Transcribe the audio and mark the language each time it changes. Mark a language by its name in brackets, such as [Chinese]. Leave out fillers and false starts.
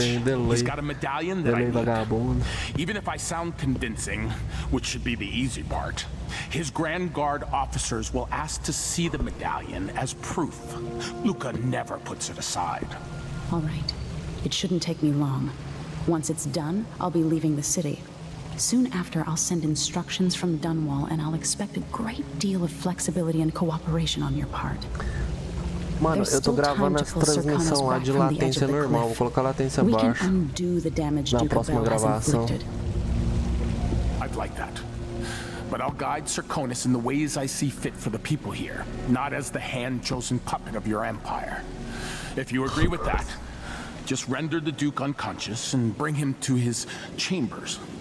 [English] He's got a medallion that I need. Even if I sound convincing, which should be the easy part, his Grand Guard officers will ask to see the medallion as proof. Luca never puts it aside. All right. It shouldn't take me long. Once it's done, I'll be leaving the city. Soon after, I'll send instructions from Dunwall, and I'll expect a great deal of flexibility and cooperation on your part. [Portuguese] Mano, eu tô gravando essa transmissão lá de latência normal, vou colocar a latência baixa na próxima gravação. [English] I'd like that. But I'll guide Sirconis in the ways I see fit for the people here, not as the hand-chosen puppet of your empire. If you agree with that, just render the Duke unconscious and bring him to his chambers.